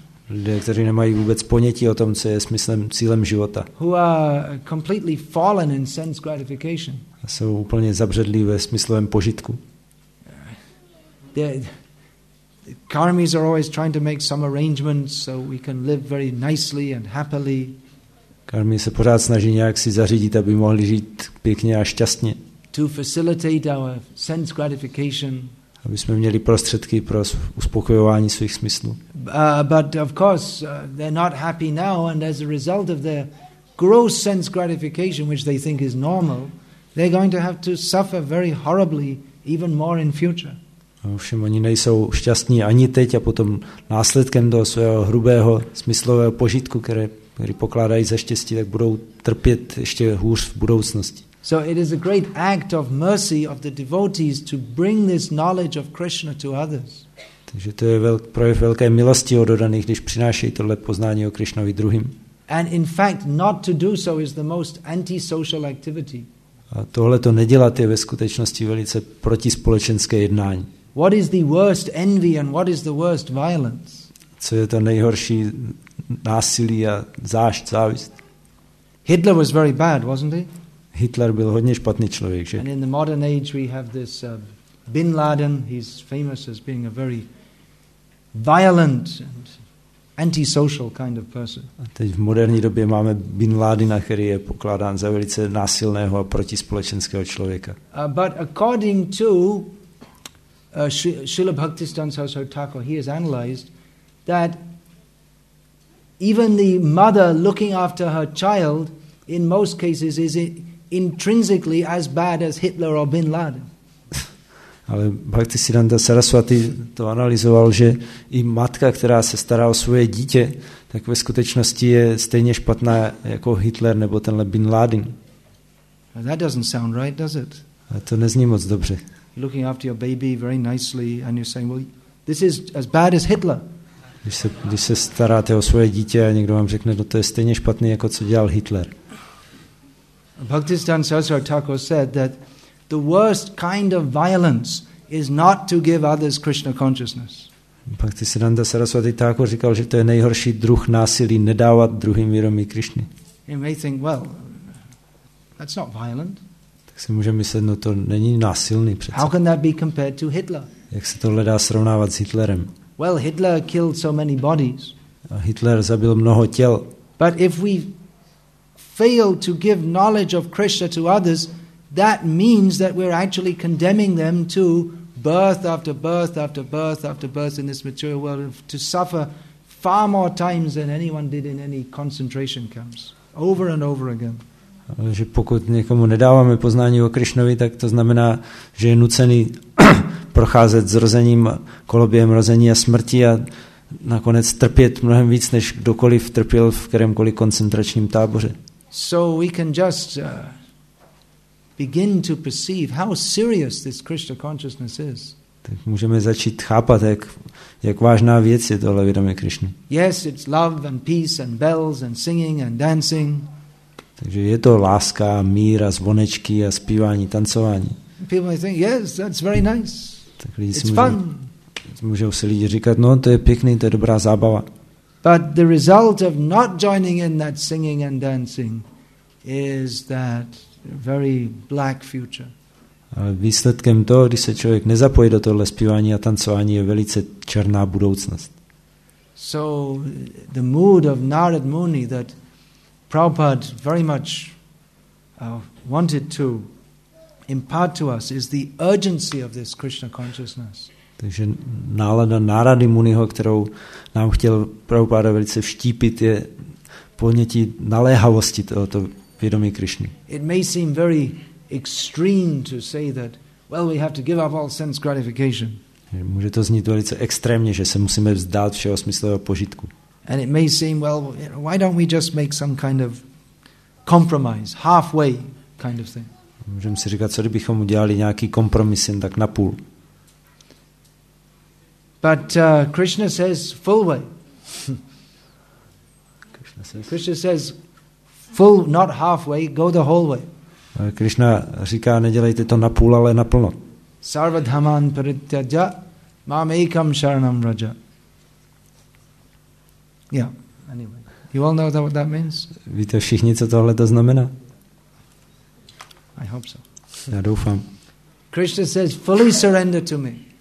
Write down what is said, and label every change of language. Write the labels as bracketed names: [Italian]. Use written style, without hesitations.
[Czech] Lidé, kteří nemají vůbec ponětí o tom, co je smyslem, cílem života. [English] Who are completely fallen in sense gratification. [Czech] A jsou úplně zabředlí ve smyslovém požitku. [English] Karmis are always trying to make some arrangements so we can live very nicely and happily. [Czech] Karmi se pořád snaží nějak si zařídit, aby mohli žít pěkně a šťastně. [English] To facilitate our sense gratification. [Czech] Aby jsme měli prostředky pro uspokojování svých smyslů. [English] But of course they're not happy now and as a result of their gross sense gratification which they think is normal, they're going to have to suffer very horribly even more in future. [Czech] Ovšem, oni nejsou šťastní ani teď a potom následkem toho svého hrubého smyslového požitku, který pokládají za štěstí, tak budou trpět ještě hůř v budoucnosti. [English] So it is a great act of mercy of the devotees to bring this knowledge of Krishna to others. [Czech] Takže to je projev velké milosti od dodaných, když přinášejí tohle poznání o Krishnovi druhým. [English] And in fact, not to do so is the most anti-social activity. [Czech] A tohle to nedělat je ve skutečnosti velice protispolečenské jednání. [English] What is the worst envy and what is the worst violence? [Czech] Co je to nejhorší násilí a zášť, závist? [English] Hitler was very bad, wasn't he? [Czech] Hitler byl hodně špatný člověk, že? [English] And in the modern age we have this Bin Laden, he's famous as being a very violent and antisocial kind of person. [Czech] A teď v moderní době máme Bin Ládina, který je pokládán za velice násilného a protispolečenského člověka. [English] But according to Srila Bhaktisiddhanta Saraswati Thakur, he has analyzed that even the mother looking after her child in most cases is intrinsically as bad as Hitler or Bin Laden. [Czech] Ale Bhaktisiddhanta Saraswati to analyzoval, že i matka, která se stará o svoje dítě, tak ve skutečnosti je stejně špatná jako Hitler nebo tenhle Bin Laden. [English] That doesn't sound right, does it? [Czech] A to nezní moc dobře. [English] Looking after your baby very nicely and you're saying, well, this is as bad as Hitler. [Czech] Když se staráte o svoje dítě a někdo vám řekne, no to je stejně špatný, jako co dělal Hitler. [English] Bhaktisiddhanta Saraswati Thakur said that the worst kind of violence is not to give others Krishna consciousness. [Czech] Bhaktisiddhanta Saraswati Thakur říkal, že to je nejhorší druh násilí, nedávat druhým vědomí Krishny. [English] You may think, well, that's not violent. [Czech] Tak si můžeme myslet, no to není násilný přece. [English] How can that be compared to Hitler? [Czech] Jak se tohle dá srovnávat s Hitlerem? [English] Well, Hitler killed so many bodies. [Czech] A Hitler zabil mnoho těl. [English] But if we fail to give knowledge of Krishna to others, that means that we're actually condemning them to birth after birth after birth after birth in this material world to suffer far more times than anyone did in any concentration camps, over and over again. [Czech] Ale že pokud někomu nedáváme poznání o Krišnovi, tak to znamená, že je nucený procházet zrozením, kolobějem rození a smrti a nakonec trpět mnohem víc, než kdokoliv trpěl v kterémkoliv koncentračním táboře. [English] So we can just begin to perceive how serious this Krishna consciousness is. [Czech] Tak můžeme začít chápat, jak vážná věc je tohle vědomí Krišny. [English] Yes, it's love and peace and bells and singing and dancing. [Czech] Takže je to láska, mír a zvonečky a zpívání, tancování. [English] People may think, yes, that's very nice. [Czech] Tak lidi si můžou si lidi říkat, no to je pěkný, to je dobrá zábava. [English] But the result of not joining in that singing and dancing is that very black future. [Czech] Ale výsledkem toho, když se člověk nezapojí do tohle zpívání a tancování, je velice černá budoucnost. [English] So the mood of Narad Muni that Prabhupada very much wanted to impart to us is the urgency of this Krishna consciousness. [Czech] Takže nálada Narady Muniho, kterou nám chtěl Prabhupada velice vštípit, je ponětí naléhavosti tohoto vědomí Krishny. [English] It may seem very extreme to say that, well, we have to give up all sense gratification. [Czech] Může to znít velice extrémně, že se musíme vzdát všeho smyslového požitku. [English] And it may seem, well, why don't we just make some kind of compromise, halfway kind of thing? [Czech] Můžeme si říkat, co kdybychom udělali nějaký kompromis jen tak napůl. [English] But Krishna says full way. Krishna says, full, not halfway, go the whole way. [Czech] Krishna říká, nedělejte to na půl, ale naplno. [Sanskrit] Sarvadhaman parityaja mam ekam sharanam raja. [English] Yeah, anyway. You all know what that means? [Czech] Víte všichni, co tohle to znamená? [English] I hope so. [Czech] Já doufám. [English] Krishna says, fully surrender to me.